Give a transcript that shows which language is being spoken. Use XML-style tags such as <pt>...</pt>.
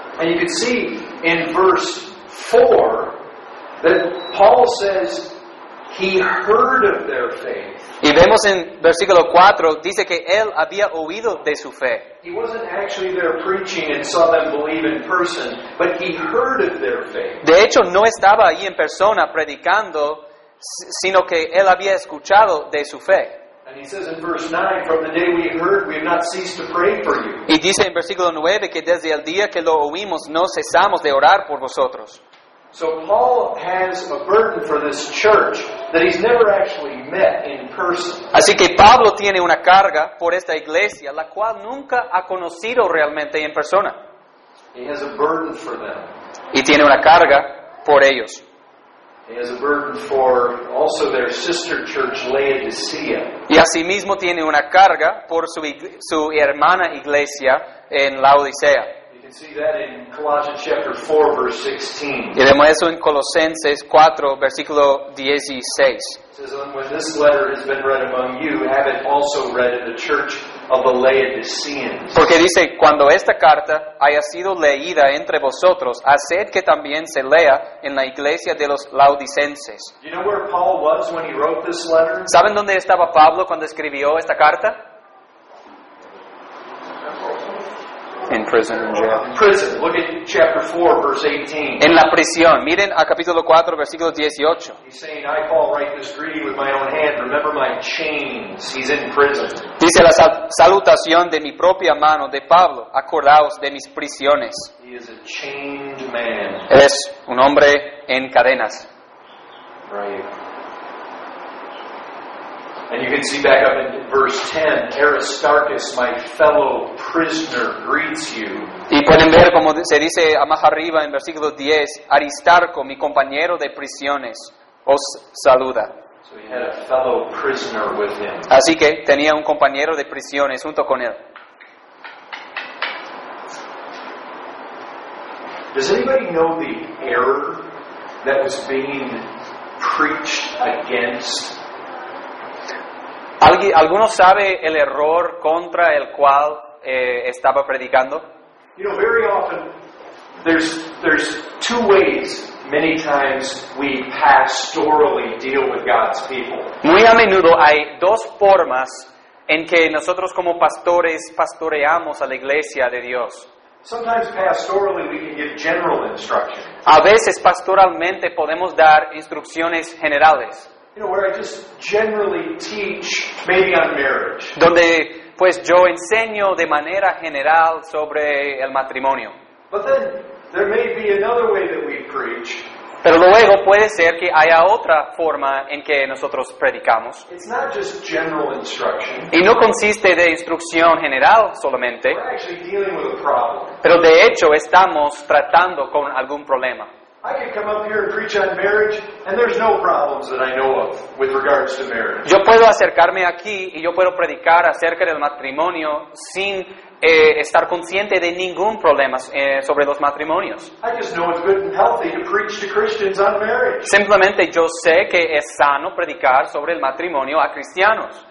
<en>And you can see in verse 4 that Paul says he heard of their faith.</en> <es>Y vemos en versículo 4, dice que él había oído de su fe.</es> <en>He wasn't actually there preaching and saw them believe in person, but he heard of their faith.</en> <es>De hecho, no estaba ahí en persona predicando, sino que él había escuchado de su fe.</es> <en>And he says in verse 9, from the day we heard, we have not ceased to pray for you.</en> <es>Y dice en versículo 9 que desde el día que lo oímos, no cesamos de orar por vosotros.</es> <en>So Paul has a burden for this church that he's never actually met in person.</en> <es>Así que Pablo tiene una carga por esta iglesia la cual nunca ha conocido realmente en persona.</es> <en>He has a burden for them.</en> <es>Y tiene una carga por ellos.</es> <en>He has a burden for also their sister church Laodicea.</en> <es>Y asimismo tiene una carga por su hermana iglesia en Laodicea.</es> <en>See that in Colossians chapter 4, verse 16.</en> <es>Y vemos eso en Colosenses 4, versículo 16.</es> <en>It says, when this letter has been read among you, have it also read in the church of the Laodiceans.</en> <es>Porque dice, cuando esta carta haya sido leída entre vosotros, haced que también se lea en la iglesia de los Laodicenses.</es> <en>You know where Paul was when he wrote this letter?</en> <es>¿Saben dónde estaba Pablo cuando escribió esta carta?</es> <en>In prison and jail. Prison. Look at chapter 4, verse 18.</en> <es>En la prisión. Miren a capítulo 4, versículo 18.</es> <en>He's saying, I Paul write this greeting with my own hand. Remember my chains. He's in prison.</en> <es>Dice la salutación de mi propia mano de Pablo. Acordaos de mis prisiones.</es> <en>He is a chained man.</en> <es>Es un hombre en cadenas.</es> <en>Right. And you can see back up in verse 10, Aristarchus, my fellow prisoner, greets you.</en> <es>Y pueden ver como se dice más arriba en versículo 10, Aristarco, mi compañero de prisiones, os saluda.</es> <en>So he had a fellow prisoner with him.</en> <es>Así que tenía un compañero de prisiones junto con él.</es> <en>Does anybody know the error that was being preached against?</en> <es>¿Alguno sabe el error contra el cual estaba predicando?</es> <en>You know, very often there's two ways many times we pastorally deal with God's people.</en> <es>Muy a menudo hay dos formas en que nosotros como pastores pastoreamos a la iglesia de Dios.</es> <en>Sometimes pastorally we can give general instruction.</en> <es>A veces pastoralmente podemos dar instrucciones generales.</es> <en>You know, where I just generally teach, maybe on marriage.</en> <es>Donde, pues, yo enseño de manera general sobre el matrimonio.</es> <en>But then, there may be another way that we preach.</en> <es>Pero luego puede ser que haya otra forma en que nosotros predicamos.</es> <en>It's not just general instruction.</en> <es>Y no consiste de instrucción general solamente.</es> <en>We're actually dealing with a problem.</en> <es>Pero de hecho estamos tratando con algún problema.</es> <en>I can come up here and preach on marriage, and there's no problems that I know of with regards to marriage.</en> <es>Yo puedo acercarme aquí y yo puedo predicar acerca del matrimonio sin estar consciente de ningún problema sobre los matrimonios.</es> <en>I just know it's good and healthy to preach to Christians on marriage.</en> <es>Simplemente yo sé que es sano predicar sobre el matrimonio a cristianos.</es>